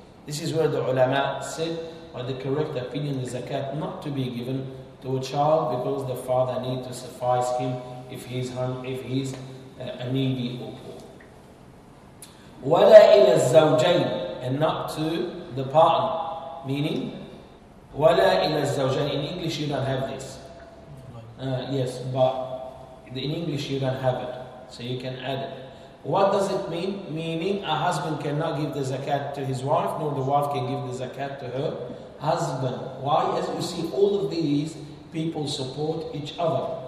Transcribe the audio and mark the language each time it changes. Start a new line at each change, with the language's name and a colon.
English: This is where the ulama said, or the correct opinion, the zakat not to be given to a child because the father needs to suffice him if he's a needy or poor.
Arabic: وَلَا إِلَى الزَّوْجَيْنِ,
English: and not to the partner. Meaning,
Arabic: وَلَا إِلَى الزَّوْجَيْنِ.
English: In English you don't have this. Yes, but in English you don't have it. So you can add it. What does it mean? Meaning, a husband cannot give the zakat to his wife, nor the wife can give the zakat to her husband. Why? As you see, all of these people support each other.